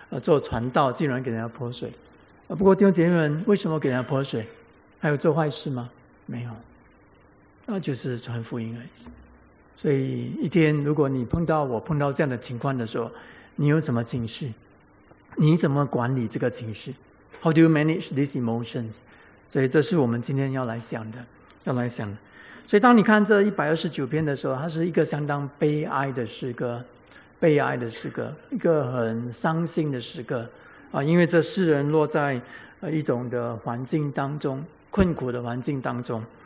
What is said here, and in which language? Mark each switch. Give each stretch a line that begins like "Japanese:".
Chinese: 做传道竟然给人家泼水，不过弟兄姐妹们，为什么给人家泼水？还有做坏事吗？没有，那就是传福音而已。所以一天如果你碰到我碰到这样的情况的时候，你有什么情绪？你怎么管理这个情绪？
English: How do you manage these emotions?
Chinese: 所以这是我们今天要来想的，要来想的。所以当你看这129篇的时候，它是一个相当悲哀的诗歌，悲哀的诗歌，一个很伤心的诗歌啊，因为这诗人落在一种的环境当中，困苦的环境当中。